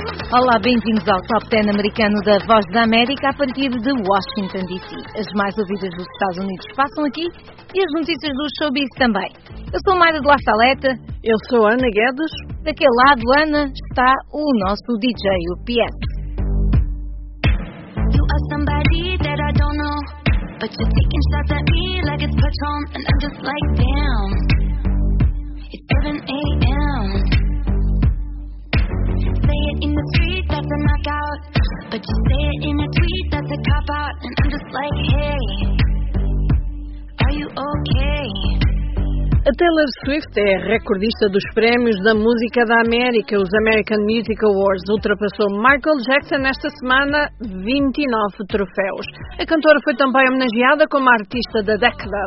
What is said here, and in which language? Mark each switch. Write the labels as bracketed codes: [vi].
[pt] Olá, bem-vindos ao Top 10 americano da Voz da América a partir de Washington, D.C. As mais ouvidas dos Estados Unidos passam aqui e as notícias do showbiz também. Eu sou Maira de La Saleta. Eu sou Ana Guedes. Daquele lado, Ana, está o nosso DJ, o PS. [en] Somebody that I don't know, but you're taking shots at me like it's Patron, and I'm just like, damn, it's 7 a.m. Say it in the street, that's a knockout, but you say it in a tweet, that's a cop-out, and I'm just like, hey, are you okay? [pt] A Taylor Swift é a recordista dos prémios da música da América, os American Music Awards. Ultrapassou Michael Jackson nesta semana, 29 troféus. A cantora foi também homenageada como artista da década.